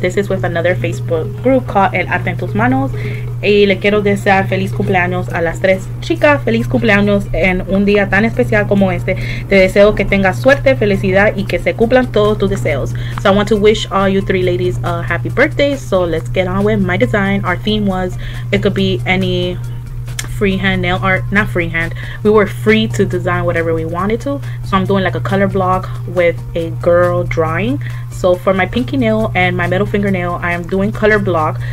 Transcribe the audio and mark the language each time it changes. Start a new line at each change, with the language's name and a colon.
English: This is with another Facebook group called El Arte en Tus Manos.
Spanish: Y le quiero desear feliz cumpleaños a las tres chicas. Feliz cumpleaños en un día tan especial como este. Te deseo que tengas suerte, felicidad y que se cumplan todos tus deseos.
English: So I want to wish all you three ladies a happy birthday. So let's get on with my design. Our theme was, it could be any freehand nail art, not freehand. We were free to design whatever we wanted to. So I'm doing like a color block with a girl drawing. So for my pinky nail and my middle fingernail, I am doing color block.